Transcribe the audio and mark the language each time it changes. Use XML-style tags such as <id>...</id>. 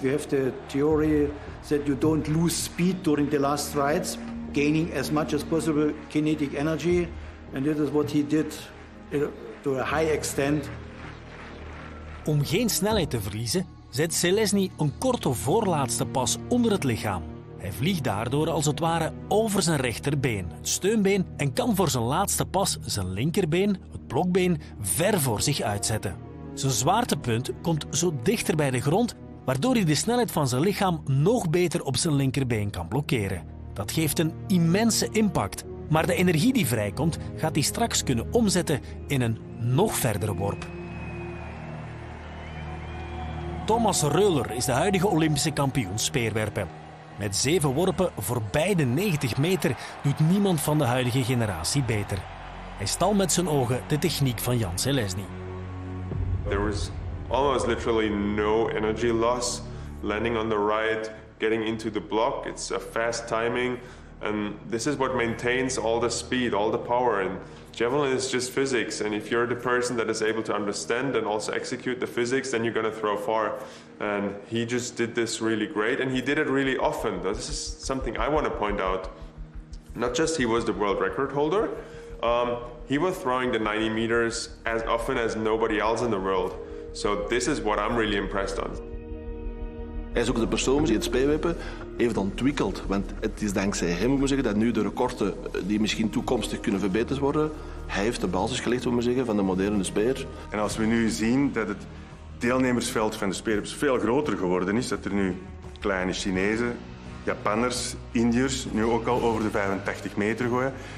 <en>We have the theory that you don't lose speed during the last strides, gaining as much as possible kinetic energy. And this is what he did to a high extent.</en> <nl>Om geen snelheid te verliezen, zet Zelezny een korte voorlaatste pas onder het lichaam. Hij vliegt daardoor als het ware over zijn rechterbeen, het steunbeen, en kan voor zijn laatste pas zijn linkerbeen, het blokbeen, ver voor zich uitzetten. Zijn zwaartepunt komt zo dichter bij de grond, waardoor hij de snelheid van zijn lichaam nog beter op zijn linkerbeen kan blokkeren. Dat geeft een immense impact, maar de energie die vrijkomt, gaat hij straks kunnen omzetten in een nog verdere worp. Thomas Reuler is de huidige Olympische kampioen speerwerpen. Met 7 worpen voorbij de 90 meter doet niemand van de huidige generatie beter. Hij stal met zijn ogen de techniek van Jan Zelezny.</nl> <en>There was almost literally no energy loss landing on the right, getting into the block. It's a fast timing and this is what maintains all the speed, all the power. And javelin is just physics, and if you're the person that is able to understand and also execute the physics, then you're going to throw far. And he just did this really great, and he did it really often. This is something I want to point out. Not just he was the world record holder, he was throwing the 90 meters as often as nobody else in the world. So this is what I'm really impressed on.</en> <nl>Hij is ook de persoon die het speerwerpen heeft ontwikkeld. Want het is dankzij hem, moet ik zeggen, dat nu de recorden die misschien toekomstig kunnen verbeterd worden, hij heeft de basis gelegd, moet ik zeggen, van de moderne speer. En als we nu zien dat het deelnemersveld van de speerwerpers veel groter geworden is, dat er nu kleine Chinezen, Japanners, Indiërs nu ook al over de 85 meter gooien.</nl>